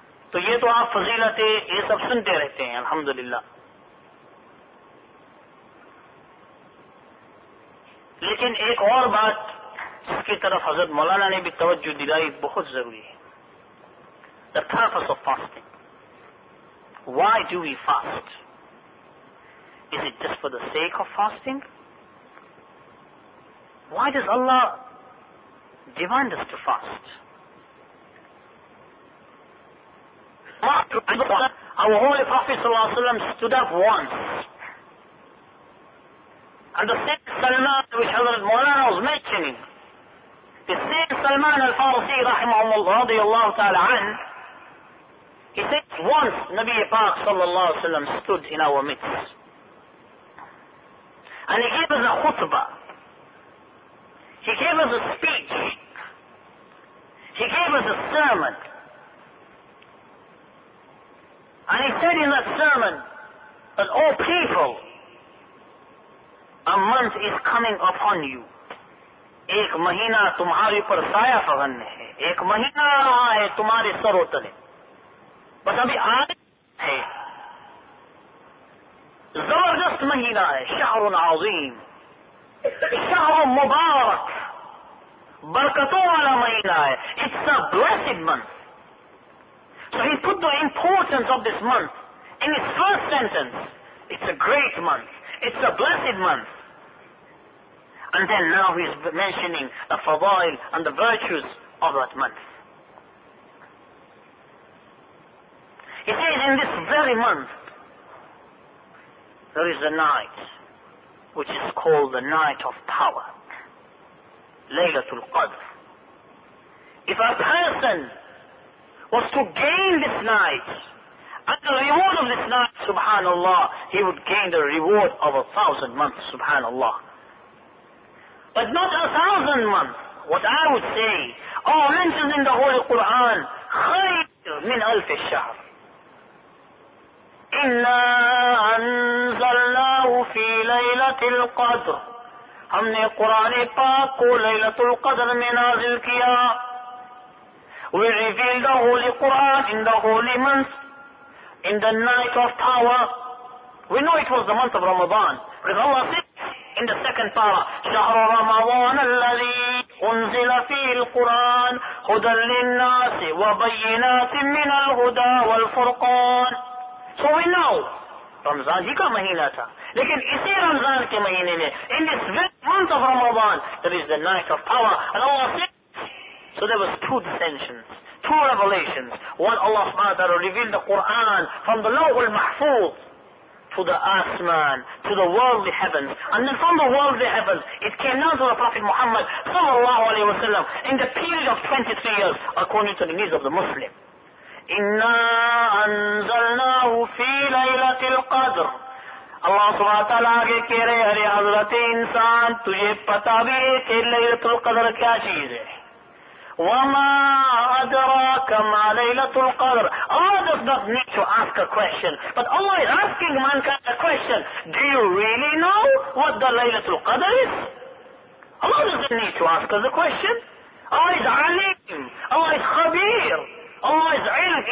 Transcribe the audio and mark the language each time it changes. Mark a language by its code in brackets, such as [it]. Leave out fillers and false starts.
[ur] تو یہ تو آپ فضیلتیں یہ سب سنتے رہتے ہیں الحمدللہ, لیکن ایک اور بات اس کی طرف حضرت مولانا نے بھی توجہ دلائی بہت ضروری ہے, [en] the purpose of fasting. Why do we fast? Is it just for the sake of fasting? Why does Allah demand us to fast? Our Holy Prophet stood up once, and the same Salman which Hazrat Maulana was mentioning, the same Salman al-Farsi rahimahumullah radiyallahu ta'ala an, he said once Nabi Paak sallallahu alayhi wa sallam stood in our midst and he gave us a khutbah, he gave us a speech, he gave us a sermon. And he said in that sermon that, O people, A month is coming upon you. [ur] ایک مہینہ تمہارے پر سایہ پہن ہے. ایک مہینہ رہا ہے تمہارے سروں تلے. بس ابھی آج ہے. زبردست مہینہ ہے. [ar] Shahrun azim. Shahrun mubarak. [ur] برکتوں والا مہینہ ہے. [en] It's a blessed month. So he put the importance of this month in his first sentence. It's a great month. It's a blessed month. And then now he's mentioning the fadail and the virtues of that month. He says in this very month, there is a night which is called the night of power. Laylatul Qadr. If a person was to gain this night, and the reward of this night, subhanallah, he would gain the reward of 1,000 months, subhanallah. But not 1,000 months. What I would say, all mentioned in the Holy Quran, [ar] خَيْرٌ مِنْ أَلْفِ الشَّهْرِ إِنَّا أَنزَلْنَاهُ فِي لَيْلَةِ الْقَدْرِ. [ur] ہم نے قرآن پاک کو لیلۃ القدر میں نازل کیا. [en] We revealed the Holy Quran in the holy month, in the night of power. We know it was the month of Ramadan. Because Allah said in the second para, [ar] شهر رمضان الذي أنزل فيه القرآن هدى للناس وبينات من الهدى والفرقان. [en] So we know [ur] Ramadan ہی کا مہینہ تھا. لیکن اسی رمضان کے مہینے میں, [en] in this very month of Ramadan, there is the night of power. And Allah said, so there was two dissensions, two revelations. One, Allah subhanahu wa ta'ala revealed the Quran from the Lawul Mahfuz to the Asman, to the worldly heavens. And then from the worldly heavens, it came down to the Prophet Muhammad sallallahu alayhi wa sallam in the period of 23 years, according to the needs of the Muslim. [ar] إِنَّا أَنزَلْنَاهُ فِي لَيْلَةِ الْقَدْرِ. [ur] اللہ سبحانہ و تعالیٰ آگے کہہ رہے ہے، ارے حضرت انسان، تجھے پتا بھی ہے کہ لیلۃ القدر کیا چیز ہے. [ar] وَمَا أَدْرَاكَ مَا لَيْلَةُ الْقَدْرِ. [en] Allah does not need to ask a question, but Allah is asking mankind a question. Do you really know what the Laylatul Qadr is? Allah doesn't need to ask us a question. Allah is alim. Allah is khabir. Allah is ilm.